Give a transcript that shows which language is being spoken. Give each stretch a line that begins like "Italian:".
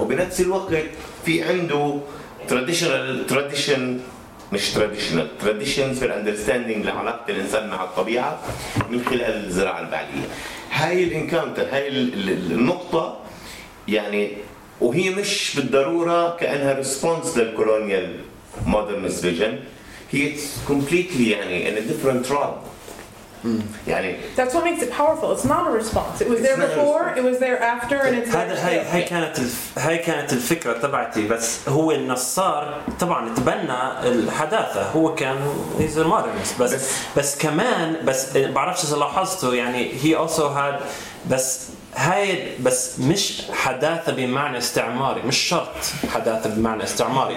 Arabic: وبنفس الوقت في عنده
English: traditional tradition
Arabic: مش
English: traditional traditions
Arabic: في
English: الاندرستاندينج
Arabic: لعلاقة الإنسان مع الطبيعة من خلال الزراعة البعلية. هاي الانكاونتر، هاي النقطة يعني، وهي مش بالضرورة كأنها
English: response للكولونيال modernist vision,
Arabic: هي
English: completely
Arabic: يعني
English: ان ديفرنت روب.
Arabic: يعني
English: that's what makes it powerful. It's not a response. It was there before, it was there after, and it's
Arabic: هذا هاي كانت الفكرة تبعتي. بس هو النصار طبعا تبنى الحداثة، هو كان
English: he's a modernist.
Arabic: بس كمان بس بعرفش إذا لاحظته يعني
English: he also had
Arabic: بس هاي بس مش حداثة بمعنى استعماري، مش شرط حداثة بمعنى استعماري.